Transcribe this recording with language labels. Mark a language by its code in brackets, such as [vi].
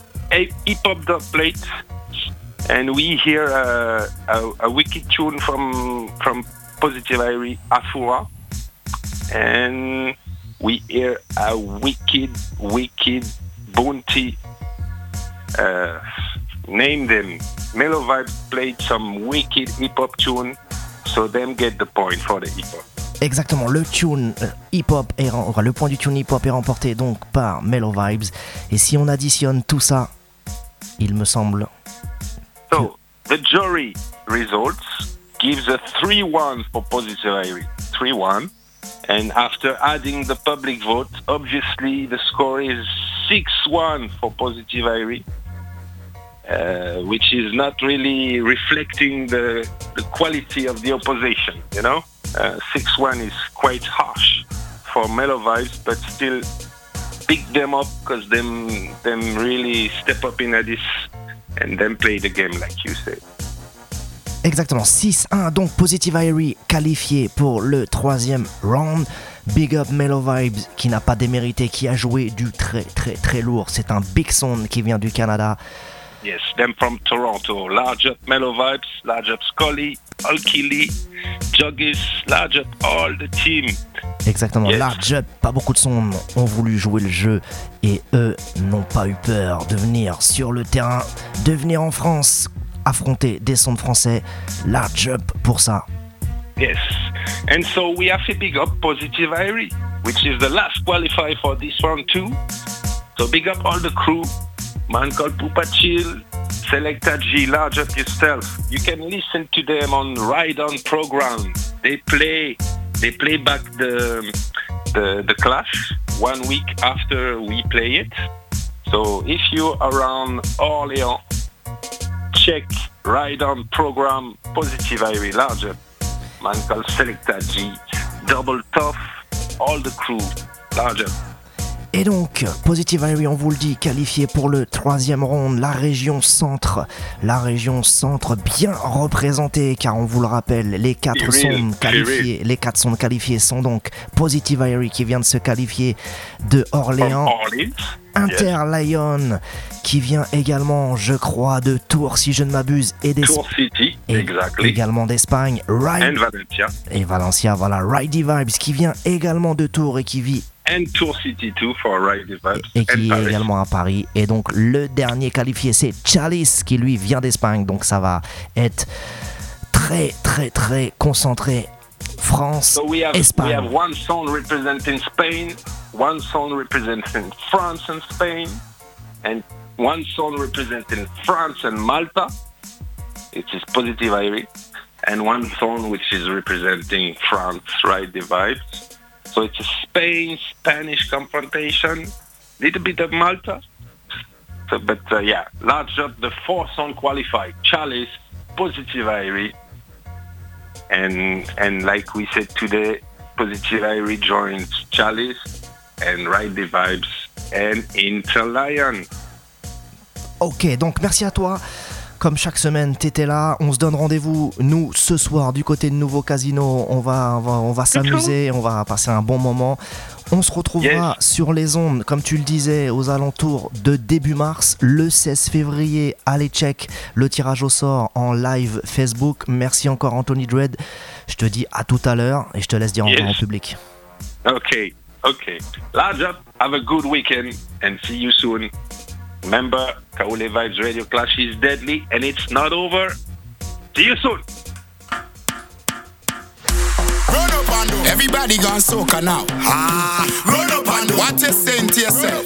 [en] Hip Hop Dub Plate. And we hear a wicked tune from Positive Harry, Afua. And we hear a wicked, wicked Boonti. Name them. Mellow Vibe played some wicked hip-hop tune, so them get the point for the hip-hop. [fr] Exactement, le tune hip-hop est le point du tune hip-hop est remporté donc par Mellow Vibes. Et si on additionne tout ça, il me semble. [en] So, the jury results gives a 3-1 for Positive Harry. 3-1. And after adding the public vote, obviously the score is 6-1 for Positive Harry, which is not really reflecting the quality of the opposition, you know? 6-1 is quite harsh for Mellow Vibes, but still pick them up because them really step up in this and then play the game like you said. [fr] Exactement, 6-1, donc Positive Harry qualifié pour le troisième round. Big up Mellow Vibes qui n'a pas démérité, qui a joué du très très très lourd. C'est un big sound qui vient du Canada. [en] Yes, them from Toronto. Large up Mellow Vibes, large up Scully, Hulky Lee, Juggies, large up all the team. [fr] Exactement, yes. Large up, pas beaucoup de sound ont voulu jouer le jeu et eux n'ont pas eu peur de venir sur le terrain, de venir en France. Affronter des sons français, large up pour ça. [en] Yes, and so we have to big up Positive Harry, which is the last qualifier for this round too. So big up all the crew, man called Pupa Chill, Selecta G, large up yourself. You can listen to them on Ride On program. They play back the clash 1 week after we play it. So if you're around Orléans, check Ride On program Positive Harry Larger. Man called Selecta G, Double Tough, all the crew, Larger. [fr] Et donc, Positive Harry, on vous le dit, qualifié pour le troisième round, la région centre bien représentée, car on vous le rappelle, les quatre sondes qualifiées sont donc Positive Harry qui vient de se qualifier de Orléans. Inter Lyon, qui vient également, je crois, de Tours, si je ne m'abuse, et d'Espagne. Tours City, et [en] exactly. [fr] Également d'Espagne. Valencia. Et Valencia, voilà. Ridey Vibes, qui vient également de Tours et qui vit. [en] And Tours City too for Ridey Vibes. [fr] Et qui est Paris. Également à Paris. Et donc, le dernier qualifié, c'est Chalice, qui lui vient d'Espagne. Donc, ça va être très, très, très concentré. France, [en] so we have, [fr] Espagne. [en] We have one song representing Spain. One song representing France and Spain, and one song representing France and Malta, which is Positive Harry, and one song which is representing France, right, the vibes. So it's a Spain-Spanish confrontation, little bit of Malta. So, but large up the four song qualified, Chalice, Positive Harry, and like we said today, Positive Harry joins Chalice, and Ride the Vibes and Inter Lyon. [fr] Ok, donc merci à toi. comme chaque semaine, t'étais là. On se donne rendez-vous, nous, ce soir, du côté de Nouveau Casino. On va s'amuser, on va passer un bon moment. On se retrouvera sur les ondes, comme tu le disais, aux alentours de début mars, le 16 février. Allez, check le tirage au sort en live Facebook. Merci encore, Anthony Dread. Je te dis à tout à l'heure et je te laisse dire au revoir au public. Ok. [en] Large up, have a good weekend and see you soon. Remember, Kaole Vibes Radio Clash is deadly and it's not over. See you soon. Run up and do. Everybody gone soca now. Ah, run up and do. What you saying to yourself?